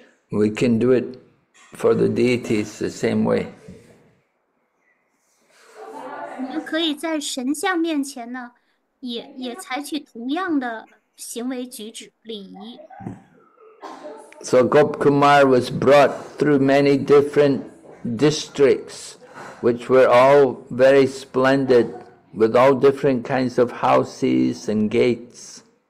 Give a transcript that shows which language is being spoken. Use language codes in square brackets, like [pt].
[en] We can do it for the deities the same way. [zh] 我们可以在神像面前呢，也采取同样的行为举止礼仪。 [en] So Gop Kumar was brought through many different districts which were all very splendid with all different kinds of houses and gates.